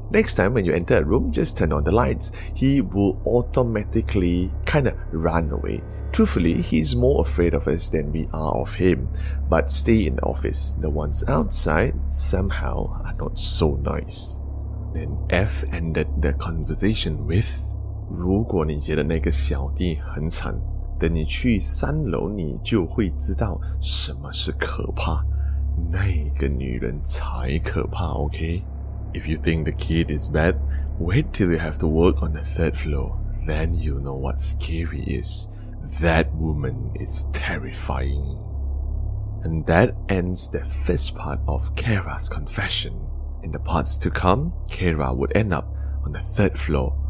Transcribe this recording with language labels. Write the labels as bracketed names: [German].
[English] Next time when you enter a room, just turn on the lights. He will automatically kind of run away. Truthfully, he's more afraid of us than we are of him. But stay in the office. The ones outside somehow are not so nice. Then F ended the conversation with, [Chinese] 如果你觉得那个小弟很惨, 等你去三楼你就会知道什么是可怕, 那个女人才可怕, OK? [English] If you think the kid is bad, wait till you have to work on the third floor. Then you'll know what scary is. That woman is terrifying. And that ends the first part of Kara's confession. In the parts to come, Kara would end up on the third floor.